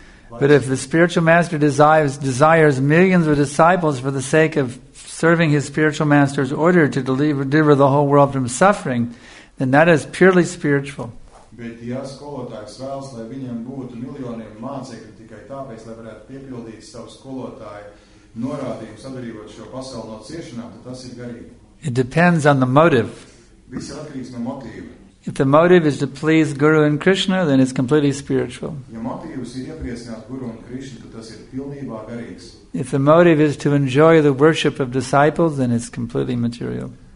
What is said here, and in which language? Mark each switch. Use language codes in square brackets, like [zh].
[en] But if the spiritual master desires millions of disciples for the sake of serving his spiritual master's order to deliver the whole world from suffering, then that is purely spiritual. [lv] Bet ja skolotājs vēlas, lai viņam būtu miljoniem mācekļu tikai tāpēc, lai varētu piepildīt savu skolotāju norādījumu sadarīvot šo pasauli no ciešanām, tad tas ir garīgi. [en] It depends on the motive. If the motive is to please Guru and Krishna, then it's completely spiritual. If the motive is to enjoy the worship of disciples, then it's completely material.